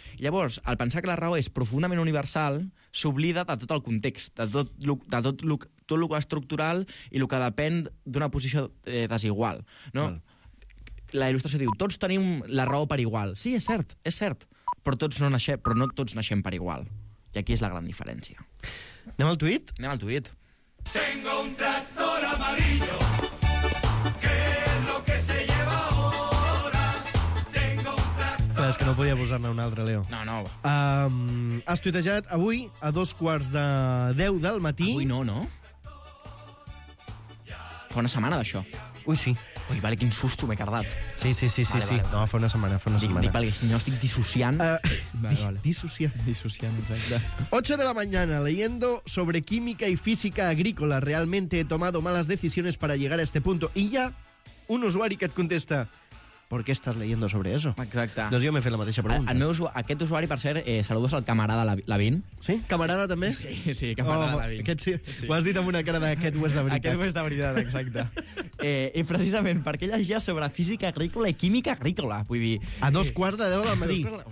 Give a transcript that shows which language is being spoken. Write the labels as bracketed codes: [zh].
[ca] Llavors, al pensar que la raó és profundament universal, s'oblida de tot el context, de tot el que és estructural i el que depèn d'una posició desigual. No? La Il·lustració diu, tots tenim la raó per igual. Sí, és cert, però tots no naixem, però no tots naixem per igual. I aquí és la gran diferència. Anem al tuit? Anem al tuit. [es] Tengo un tractor amarillo. [ca] És que no podia posar-ne un altre, Leo. No. Has tuitejat avui a 9:45 del matí. Avui no. Fa una setmana, d'això. Ui, sí. Ui, vale, quin susto m'he cardat. Sí. Vale. No, fa una setmana. Dic, perquè si no estic dissociant. Dissociant, exacte. [es] 8:00 a.m, leyendo sobre química y física agrícola. Realmente he tomado malas decisiones para llegar a este punto. Y ya un [ca] usuari que et contesta... [es] ¿Por qué estás leyendo sobre eso? [ca] Exacte. Doncs jo m'he fet la mateixa pregunta. Aquest usuari, per cert, [es] saludos al camarada Lavín. [ca] Sí? Camarada, també? Sí, camarada Lavín. Aquest sí. Ho has dit amb una cara d'aquest ho és de veritat. Aquest ho és de veritat, exacte. I precisament, perquè llegia sobre física agrícola i química agrícola, vull dir... A 9:45 del matí.